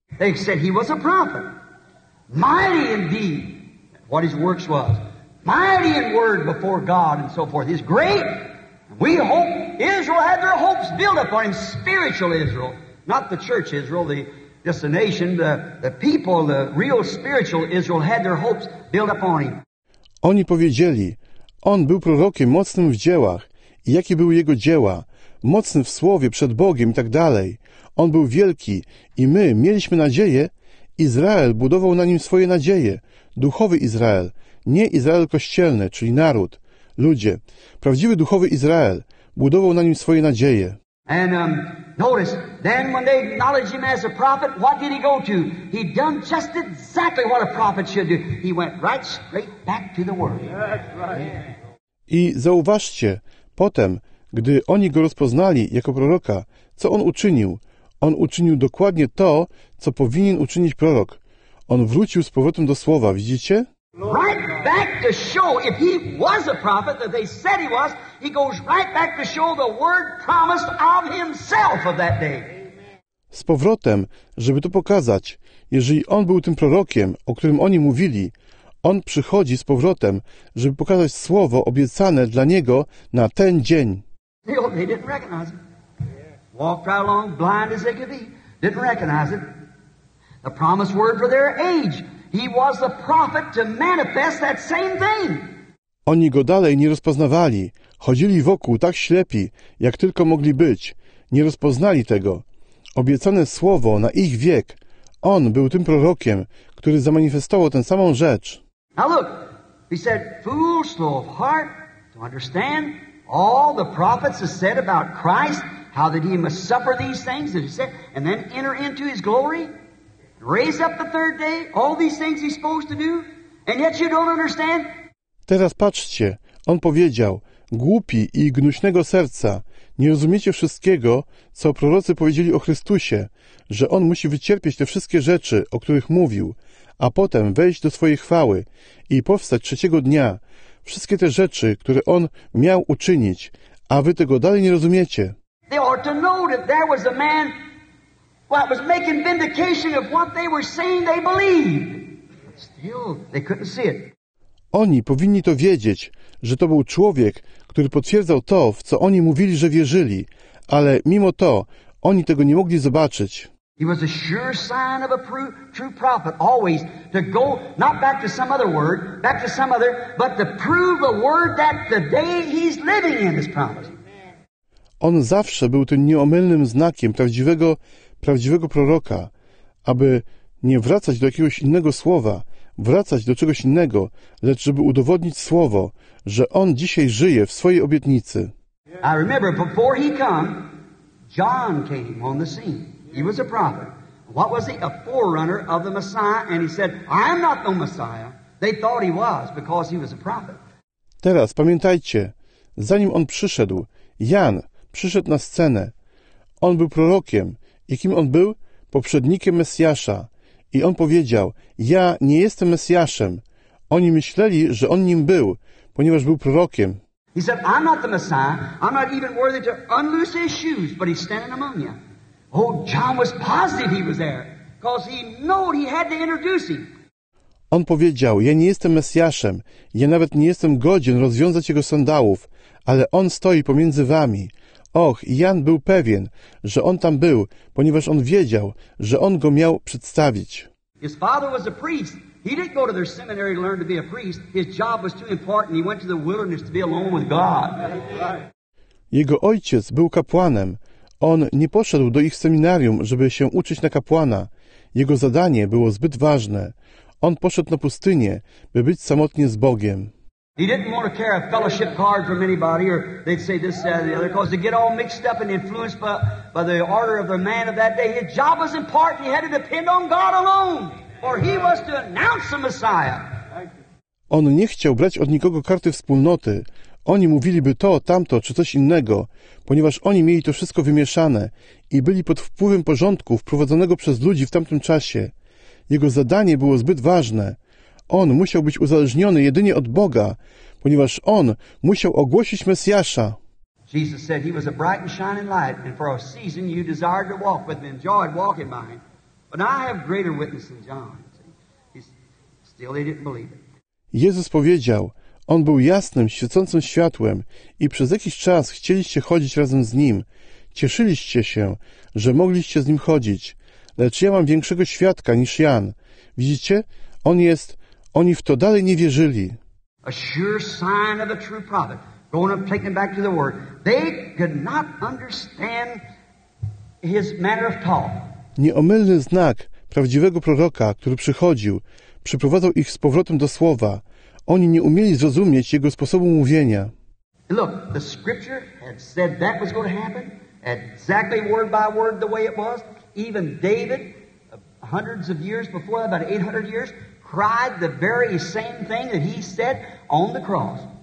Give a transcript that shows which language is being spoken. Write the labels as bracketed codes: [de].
[en] They said he was a prophet. Mighty indeed, what his works was. Mighty in word before God and so forth. He's great. We hope Israel had their hopes built up on him. Spiritual Israel. Not the church Israel, just the nation, the people, the real spiritual Israel had their hopes built up on him. [pl] Oni powiedzieli, on był prorokiem mocnym w dziełach. I jakie były jego dzieła? Mocny w słowie przed Bogiem i tak dalej. On był wielki i my mieliśmy nadzieję Izrael budował na nim swoje nadzieje, duchowy Izrael, nie Izrael kościelny, czyli naród, ludzie. Prawdziwy duchowy Izrael budował na nim swoje nadzieje. [en] And notice, then when they acknowledged him as a prophet, what did he go to? He done just exactly what a prophet should do. He went right straight back to the word. [pl] I zauważcie, potem, gdy oni go rozpoznali jako proroka, co on uczynił? On uczynił dokładnie to, co powinien uczynić prorok. On wrócił z powrotem do słowa, widzicie? [en] Right back to show, if he was a prophet that they said he was, he goes right back to show the word promised of himself of that day. [pl] Z powrotem, żeby to pokazać, jeżeli on był tym prorokiem, o którym oni mówili, on przychodzi z powrotem, żeby pokazać słowo obiecane dla niego na ten dzień. [en] They didn't recognize it. Walked right along blind as they could be. Didn't recognize it. The promised word for their age. He was the prophet to manifest that same thing. [pl] Oni go dalej nie rozpoznawali. Chodzili wokół tak ślepi, jak tylko mogli być. Nie rozpoznali tego. Obiecane słowo na ich wiek. On był tym prorokiem, który zamanifestował tę samą rzecz. [en] Now look, he said, fool, slow of heart, to understand all the prophets have said about Christ, how that he must suffer these things, that he said, and then enter into his glory, raise up the third day, all these things he's supposed to do, and yet you don't understand? [pl] Teraz patrzcie, on powiedział, głupi i gnuśnego serca, nie rozumiecie wszystkiego, co prorocy powiedzieli o Chrystusie, że on musi wycierpieć te wszystkie rzeczy, o których mówił, a potem wejść do swojej chwały i powstać trzeciego dnia. Wszystkie te rzeczy, które on miał uczynić, a wy tego dalej nie rozumiecie. [en] They ought to know that there was a man that was making vindication of what they were saying they believed. Still, they couldn't see it. [pl] Oni powinni to wiedzieć, że to był człowiek, który potwierdzał to, w co oni mówili, że wierzyli, ale mimo to oni tego nie mogli zobaczyć. [en] He was a sure sign of a true prophet, always to go not back to some other word, back to some other, but to prove a word that the day he's living in is promised. [pl] On zawsze był tym nieomylnym znakiem prawdziwego proroka, aby nie wracać do jakiegoś innego słowa, wracać do czegoś innego, lecz żeby udowodnić słowo, że on dzisiaj żyje w swojej obietnicy. [en] I remember before he came, John came on the scene. He was a prophet. What was he? A forerunner of the Messiah, and he said, I'm not the Messiah. They thought he was because he was a prophet. [pl] Teraz pamiętajcie, zanim on przyszedł, Jan przyszedł na scenę. On był prorokiem. I kim on był? Poprzednikiem Mesjasza. I on powiedział, ja nie jestem Mesjaszem. Oni myśleli, że on nim był, ponieważ był prorokiem. [en] He said, I'm not the Messiah. I'm not even worthy to unloose his shoes, but he's standing among you. Oh, John was positive he was there, because he knew he had to introduce him. [pl] On powiedział, ja nie jestem Mesjaszem. Ja nawet nie jestem godzien rozwiązać jego sandałów, ale on stoi pomiędzy wami. Och, Jan był pewien, że on tam był, ponieważ on wiedział, że on go miał przedstawić. [en] His father was a priest. He didn't go to their seminary to learn to be a priest. His job was too important. He went to the wilderness to be alone with God. [pl] Jego ojciec był kapłanem. On nie poszedł do ich seminarium, żeby się uczyć na kapłana. Jego zadanie było zbyt ważne. On poszedł na pustynię, by być samotnie z Bogiem. [en] He didn't want to carry a fellowship card from anybody, or they'd say this, that, or the other, because they get all mixed up and influenced by the order of the man of that day. His job was important. He had to depend on God alone, for he was to announce the Messiah. [pl] On nie chciał brać od nikogo karty wspólnoty. Oni mówiliby to, tamto, czy coś innego, ponieważ oni mieli to wszystko wymieszane i byli pod wpływem porządku wprowadzonego przez ludzi w tamtym czasie. Jego zadanie było zbyt ważne. On musiał być uzależniony jedynie od Boga, ponieważ on musiał ogłosić Mesjasza. [en] Jesus said he was a bright and shining light, and for a season you desired to walk with him, enjoyed walking by him. But now I have greater witness than John. Still they didn't believe it. [pl] Jezus powiedział, on był jasnym, świecącym światłem i przez jakiś czas chcieliście chodzić razem z nim. Cieszyliście się, że mogliście z nim chodzić. Lecz ja mam większego świadka niż Jan. Widzicie? On jest... Oni w to dalej nie wierzyli. [en] A sure sign of a true prophet, going up, taking back to the word. They could not understand his manner of talk. [pl] Nieomylny znak prawdziwego proroka, który przychodził, przyprowadzał ich z powrotem do Słowa. Oni nie umieli zrozumieć jego sposobu mówienia. [en] Look, the scripture had said that was going to happen, exactly word by word the way it was. Even David, hundreds of years before, about 800 years, cried the very same thing that he said on the cross.